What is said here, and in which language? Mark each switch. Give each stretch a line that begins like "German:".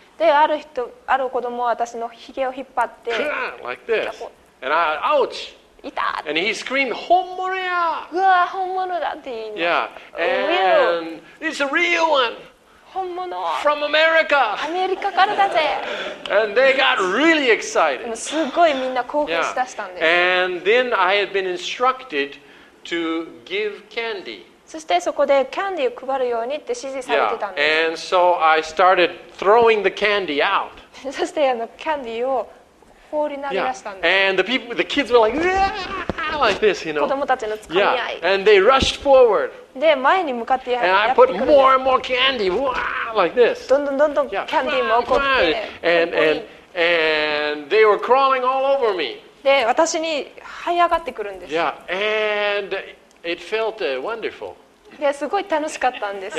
Japanese: で、ある子供は私のひげを引っ張って。
English: Yeah, like this. And I, ouch.
Japanese: いた。
English: And he screamed,
Japanese: 本物や。うわ、本物だって言いました。
English: Yeah. And it's a real one.
Japanese: 本物。
English: From America.
Japanese: アメリカからだぜ。
English: And they got really excited.
Japanese: すごいみんな興奮しだしたんです。
English: Yeah. And then I had been instructed to give candy.
Japanese: そしてそこでキャンディーを配るようにって指示されてたんです。
English: Yeah. And so I started throwing the candy out.
Japanese: そしてキャンディーを放り投げ出したんです。
English: Yeah. And the kids were like, yeah, like this, you know.
Japanese: 子供たちのつかみ合い。
English: Yeah. And they rushed forward.
Japanese: で、前に向かってやってくる。
English: And I put more and more candy. Wow, like this.
Japanese: どんどんどんどんキャンディーも起こって。
English: And they were crawling all over me.
Japanese: で、私に這い上がってくるんです。
English: Yeah. And it felt wonderful.
Japanese: いやすごい楽しかったんです。